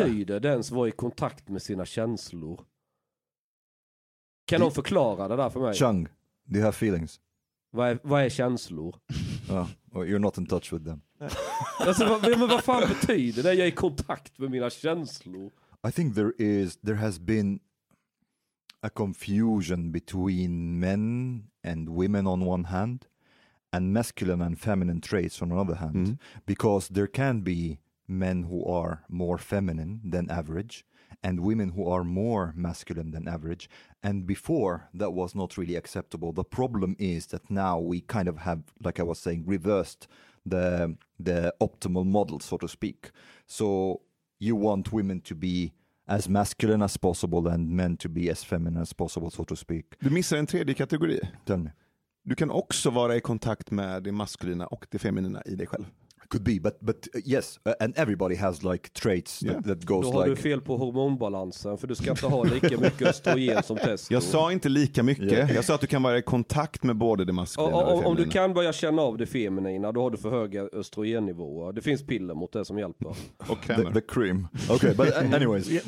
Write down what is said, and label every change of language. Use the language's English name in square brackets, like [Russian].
[Swedish] Vad betyder det ens att vara i kontakt med sina känslor? Kan någon förklara det där för mig? [English] Chang, do you have feelings? [Swedish] Vad är känslor? [English] You're not in touch with them. [Swedish] Alltså, men vad fan betyder det? Jag är i kontakt med mina känslor. [English] I think there has been a confusion between men and women on one hand and masculine and feminine traits on another hand, because there can be men who are more feminine than average and women who are more masculine than average. And before, that was not really acceptable. The problem is that now we kind of have, like I was saying, reversed the optimal model, so to speak. So you want women to be as masculine as possible and men to be as feminine as possible, so to speak. [Swedish] Du missar en tredje kategori. [English] Tell me. [Swedish] Du kan också vara i kontakt med det maskulina och det feminina i dig själv. [English] Could be, but yes, and everybody has like traits that goes like... [Swedish] Då har [English] like... [Swedish] du fel på hormonbalansen, för du ska inte ha lika mycket östrogen som test. Jag sa inte lika mycket, jag sa att du kan vara i kontakt med både det maskulina och det feminina. Om du kan börja känna av det feminina, då har du för höga östrogennivåer. Det finns piller mot det som hjälper. Och [English] the cream. Okay, but anyways.